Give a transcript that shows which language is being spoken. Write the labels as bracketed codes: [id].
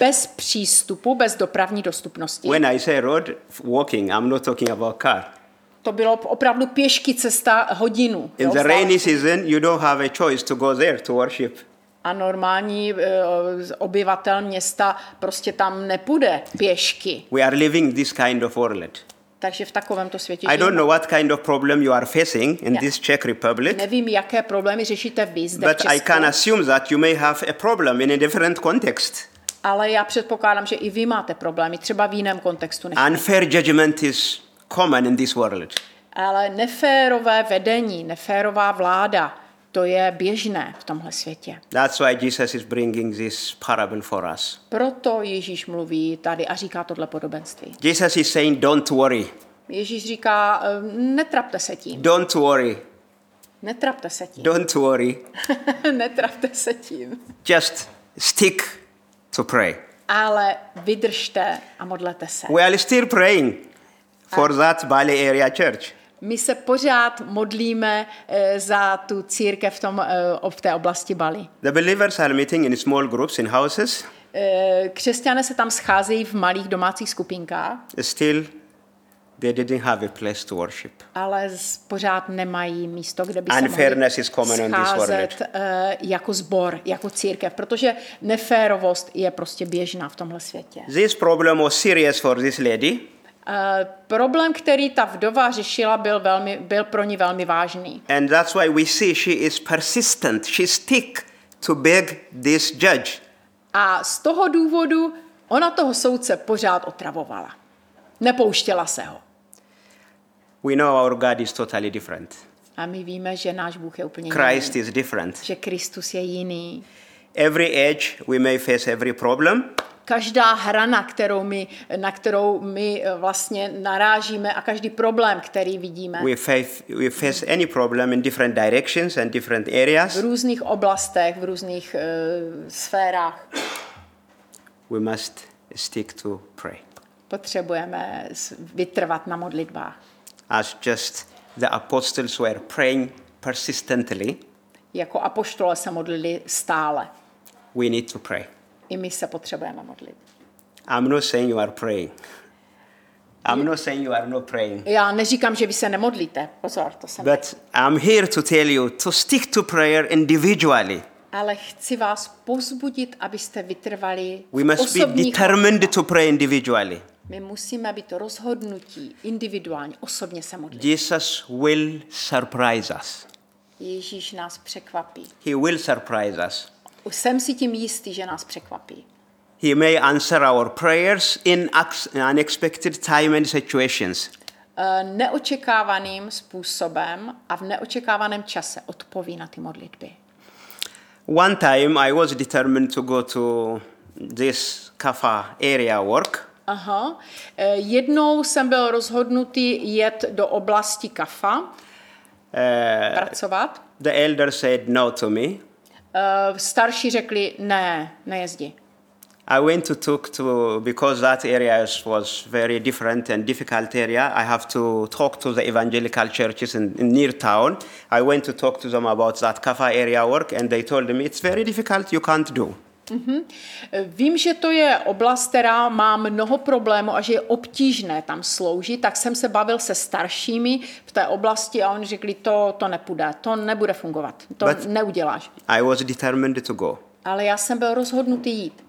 [cs] Bez přístupu, bez dopravní dostupnosti. [en] When I say road, walking, I'm not talking about car. [cs] To bylo opravdu pěšky cesta hodinu. [en] In the rainy season, you don't have a choice to go there to worship. [cs] A normální obyvatel města prostě tam nepůjde pěšky. [en] We are living this kind of world. [cs] Takže v takovémto světě žijeme. [en] I don't know what kind of problem you are facing in this Czech Republic. [cs] Nevím, jaké problémy řešíte vy zde v Česku. [en] But I can assume that you may have a problem in a different context. [cs] Ale já předpokládám, že i vy máte problémy, třeba v jiném kontextu. [en] Unfair judgment is common in this world. [cs] Ale neférové vedení, neférová vláda, to je běžné v tomhle světě. [en] That's why Jesus is bringing this parable for us. [cs] Proto Ježíš mluví tady a říká tohle podobenství. [en] Jesus is saying don't worry. [cs] Ježíš říká netrapte se tím. [en] Don't worry. [cs] Netrapte se tím. [en] Don't worry. [cs] Netrapte se tím. [en] Just stick to pray. [cs] Ale vydržte a modlete se. [en] We are still praying for that Bali area church. [cs] My se pořád modlíme za tu církev v tom v té oblasti Bali. [en] The believers are meeting in small groups in houses. [cs] Křesťané se tam scházejí v malých domácích skupinkách. [en] Still, they didn't have a place to worship. [cs] Ale pořád nemají místo, kde by [en] unfairness [cs] se mohli scházet jako sbor, jako církev, protože neférovost je prostě běžná v tomhle světě. [en] This problem was serious for this lady. [cs] Problém, který ta vdova řešila, byl pro ní velmi vážný. [en] And that's why we see she is persistent. She stick to beg this judge. [cs] A z toho důvodu ona toho soudce pořád otravovala. Nepouštěla se ho. [en] We know our God is totally different. [cs] A my víme, že náš Bůh je úplně [en] Christ [cs] jiný. [en] Christ is different. [cs] Že Kristus je jiný. [en] Every age we may face every problem. [cs] Každá hrana, na kterou my vlastně narážíme a každý problém, který vidíme. [en] We face any problem in different directions and different areas. [cs] V různých oblastech, v různých sférách. [en] We must stick to pray. [cs] Potřebujeme vytrvat na modlitbách. [en] As just the apostles were praying persistently. [cs] Jako apoštole se modlili stále. [en] We need to pray. [cs] I my se potřebujeme modlit. [en] I'm not saying you are praying. I'm not saying you are not praying. [cs] Já neříkám, že vy se nemodlíte. Pozor, to jsem. [en] But I'm here to tell you to stick to prayer individually. [cs] Ale chci vás povzbudit, abyste vytrvali. [en] We must be determined to pray individually. [cs] My musíme být rozhodnutí individuálně, osobně se modlit. [en] Jesus will surprise us. [cs] Ježíš nás překvapí. [en] He will surprise us. [cs] Jsem si tím jistý, že nás překvapí. [en] He may answer our prayers in unexpected time and situations. [cs] Neočekávaným způsobem a v neočekávaném čase odpoví na ty modlitby. [en] One time I was determined to go to this Kafa area work. Aha. [cs] Jednou jsem byl rozhodnutý jet do oblasti Kafa. Pracovat. [en] The elder said no to me. [cs] Starší řekli, ne, nejezdi. [en] I went to Tuktu because that area was very different and difficult area. I have to talk to the evangelical churches in near town. I went to talk to them about that Kafa area work and they told me it's very difficult, you can't do. Mm-hmm. [cs] Vím, že to je oblast, která má mnoho problémů a že je obtížné tam sloužit, tak jsem se bavil se staršími v té oblasti a oni řekli, to nepůjde, to nebude fungovat, neuděláš. [en] I was determined to go. [cs] Ale já jsem byl rozhodnutý jít.